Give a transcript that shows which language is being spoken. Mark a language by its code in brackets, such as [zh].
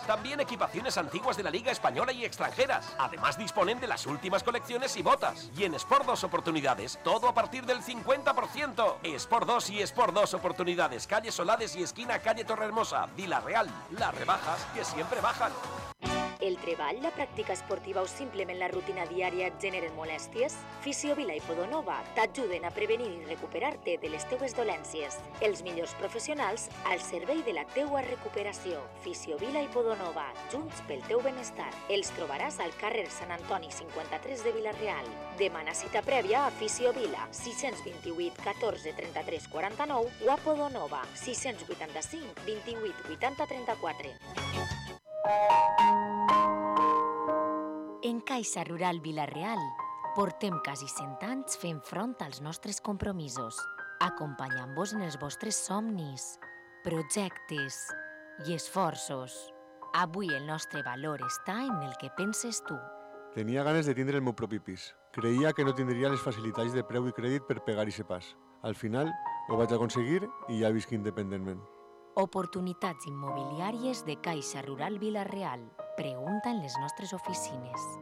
[es] También equipaciones antiguas de la Liga Española y extranjeras. Además disponen de las últimas colecciones y botas. Y en Sport 2 Oportunidades, todo a partir del 50%. Sport 2 y Sport 2 Oportunidades, calle Solades y esquina calle Torrehermosa, Villarreal. Las rebajas que siempre bajan. [ca] El treball, la pràctica esportiva o simplement la rutina diària et generen molèsties? Fisiovila i Podonova t'ajuden a prevenir i recuperar-te de les teues dolències. Els millors professionals al servei de la teua recuperació. Fisiovila i Podonova, junts pel teu benestar. Els trobaràs al carrer Sant Antoni 53 de Villarreal. Demana cita prèvia a Fisiovila 628 14 33 49 o a Podonova 685 28 80 34. En Caixa Rural Villarreal portem quasi 100 anys fent front als nostres compromisos, acompanyant-vos en els vostres somnis, projectes i esforços. Avui el nostre valor està en el que penses tu. Tenia ganes de tindre el meu propi pis. Creia que no tindria les facilitats de preu i crèdit per pegar-hi ese pas. Al final ho vaig aconseguir i ja visc independentment. Oportunitats immobiliàries de Caixa Rural Villarreal. Pregunta en les nostres oficines.